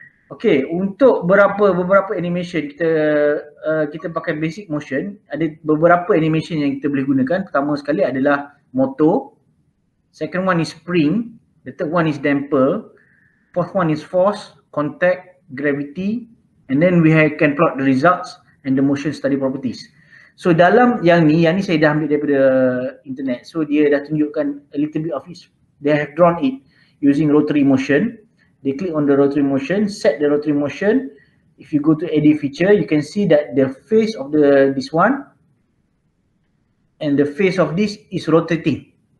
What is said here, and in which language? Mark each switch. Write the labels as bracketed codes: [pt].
[ms] Okay, untuk beberapa animation kita kita pakai basic motion, ada beberapa animation yang kita boleh gunakan. Pertama sekali adalah [en] motor, second one is spring, the third one is damper, fourth one is force, contact, gravity, and then we can plot the results and the motion study properties. [ms] So dalam yang ni saya dah ambil daripada internet. So dia dah tunjukkan [en] a little bit of it. They have drawn it using rotary motion. They click on the rotary motion, set the rotary motion. If you go to edit feature, you can see that the face of this one and the face of this is rotating.